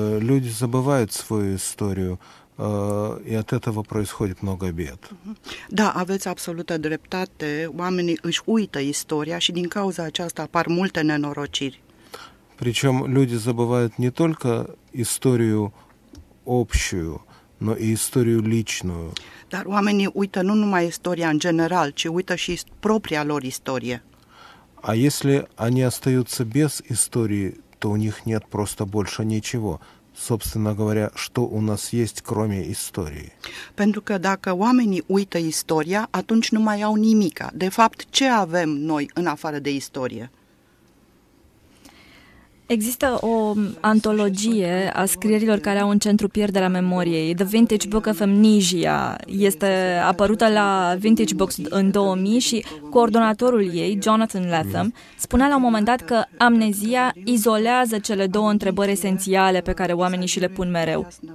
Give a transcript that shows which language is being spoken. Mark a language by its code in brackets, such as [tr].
[ru] Люди забывают свою историю, и от этого происходит много бед. [ro] Да, aveți absolută dreptate. Oamenii își uită istoria și din cauza aceasta apar multe nenorociri. [ru] Причем люди забывают не только историю общую, но и историю личную. [ro] Dar oamenii uită nu numai istoria în general, ci uită și propria lor istorie. [ru] А если они остаются без истории, то у них нет просто больше ничего. Собственно говоря, что у нас есть, кроме истории? [ro] Pentru că dacă oamenii uită istoria, atunci nu mai au nimica. De fapt, ce avem noi în afară de istorie? Există o antologie a scrierilor care au un centru pierderea memoriei. The Vintage Book of Amnesia este apărută la Vintage Books în 2000 și coordonatorul ei, Jonathan Latham, spunea la un moment dat că amnezia izolează cele două întrebări esențiale pe care oamenii și le pun mereu.